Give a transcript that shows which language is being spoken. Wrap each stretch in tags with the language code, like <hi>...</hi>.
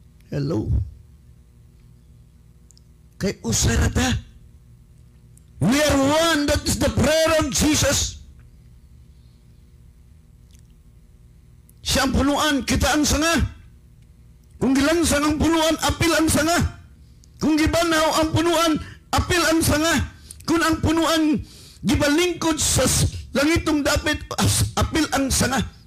<en>Hello?</en> <ceb>Kay usarata.</ceb> <en>We are one, that is the prayer of Jesus.</en> <ceb>Siyang punuan, kita ang sanga. Kung gilansang ang punuan, apil ang sanga. Kung gibanaw ang punuan, apil ang sanga. Kung ang punuan, gibalingkod sa langitong dapit, apil ang sanga.</ceb>